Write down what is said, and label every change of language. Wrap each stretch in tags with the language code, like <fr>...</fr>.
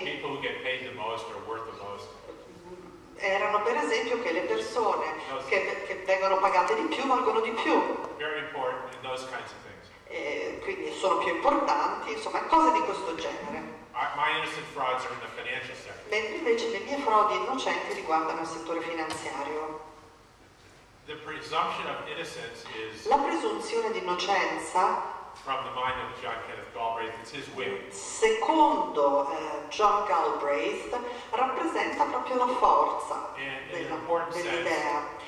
<en>people who get paid the most or worth the most.</en> <it>Erano per esempio che le persone che vengono pagate di più valgono di più.</it> <en>Very important in those kinds of things.</en> <it>E quindi sono più importanti, insomma, cose di questo genere.</it> <en>My innocent frauds are in the financial sector.</en> <it>Mentre invece le mie frodi innocenti riguardano il settore finanziario.</it> <en>The presumption of innocence is</en> <it>la presunzione di innocenza,</it> <en>from the mind of John Kenneth Galbraith, it's his will.</en> <it>Secondo John Galbraith, rappresenta proprio la forza dell'idea.</it>